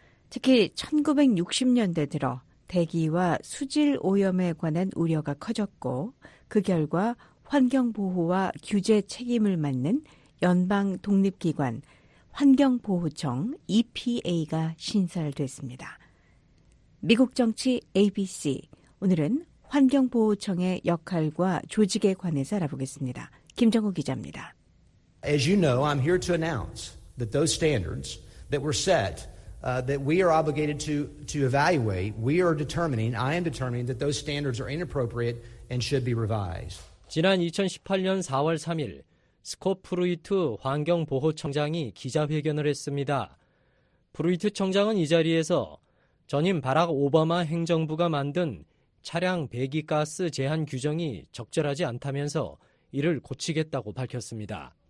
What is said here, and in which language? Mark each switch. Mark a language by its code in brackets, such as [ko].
[ko] 특히 1960년대 들어 대기와 수질 오염에 관한 우려가 커졌고 그 결과 환경보호와 규제 책임을 맡는 연방독립기관 환경보호청 EPA가 신설됐습니다. 미국 정치 ABC, 오늘은 환경보호청의 역할과 조직에 관해서 알아보겠습니다. 김정우 기자입니다. [en] As you know, I'm here to announce that those standards that were set that we are obligated to evaluate, we are determining, I am determining that those standards are inappropriate and should be revised. [ko] 지난 2018년 4월 3일, 스콧 프루이트 환경보호청장이 기자회견을 했습니다. 프루이트 청장은 이 자리에서 전임 바락 오바마 행정부가 만든 차량 배기가스 제한 규정이 적절하지 않다면서 이를 고치겠다고 밝혔습니다.